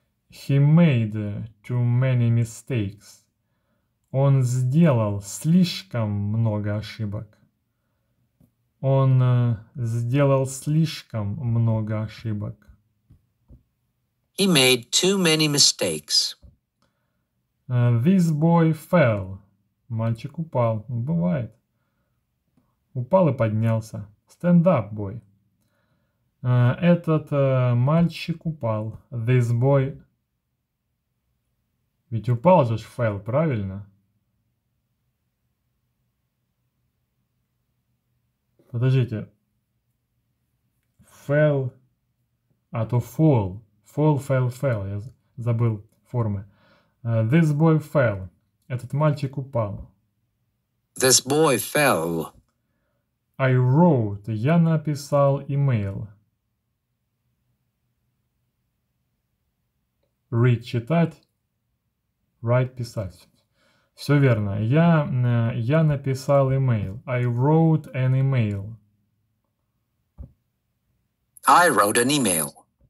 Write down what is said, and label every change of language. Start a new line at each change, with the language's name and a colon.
English: He made too many mistakes.
Russian: Он сделал слишком много ошибок. Он сделал слишком много ошибок.
English: He made too many mistakes. This boy fell.
Russian: Мальчик упал. Бывает. Упал и поднялся.
English: Stand up, boy.
Russian: Этот мальчик упал.
English: This boy.
Russian: Ведь упал же fell, правильно? Подождите. Fell. А то fall. Fall, fell, fell. Я забыл формы.
English: This boy fell.
Russian: Этот мальчик упал.
English: This boy fell. I wrote,
Russian: я написал
English: email.
Russian: Read, читать. Write, писать. Все верно. Я написал email.
English: I wrote an email. I wrote an email.